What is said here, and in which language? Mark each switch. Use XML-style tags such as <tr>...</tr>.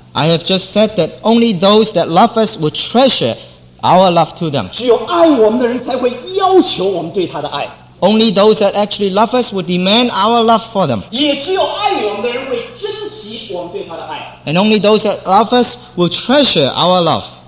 <en>I have just said that only those that love us will treasure our love to them.</en> <zh>只有爱我们的人才会要求我们对他的爱。</zh> <en>Only those that actually love us will demand our love for them.</en> <zh>也只有爱我们的人会珍惜我们对他的爱。</zh> <en>And only those that love us will treasure our love.</en>